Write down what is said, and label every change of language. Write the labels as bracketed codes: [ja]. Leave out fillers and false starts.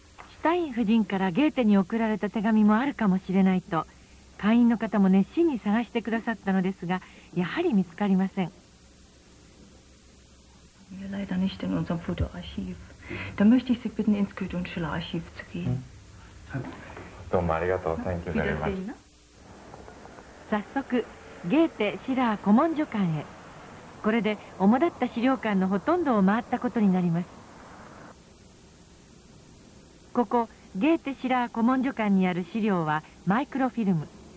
[ja] シュタイン夫人からゲーテに送られた手紙もあるかもしれないと会員の方も熱心に探してくださったのですが、やはり見つかりません。 [de] Leider nicht in unserem Fotoarchiv. Da möchte ich Sie bitten, ins Goethe- und Schiller-Archiv zu gehen. [ja] どうもありがとう。 [en] Thank you very much. [ja] 早速、ゲーテ・シラー古文書館へ。これで主だった資料館のほとんどを回ったことになります。ここ、ゲーテ・シラー古文書館にある資料はマイクロフィルム。